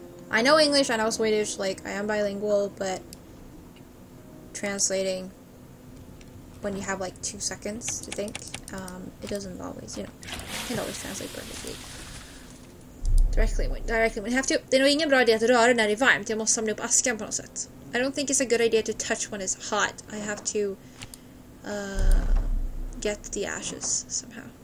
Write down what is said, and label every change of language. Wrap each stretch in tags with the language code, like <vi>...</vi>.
<en>I know English, I know Swedish, like, I am bilingual, but translating when you have, like, 2 seconds to think, it doesn't always, you know, it can't always translate perfectly. Directly when you have to.</en> <sv>Det är nog ingen bra idé att röra när det är varmt. Jag måste samla upp askan på något sätt.</sv> <en>I don't think it's a good idea to touch when it's hot. I have to get the ashes somehow.</en>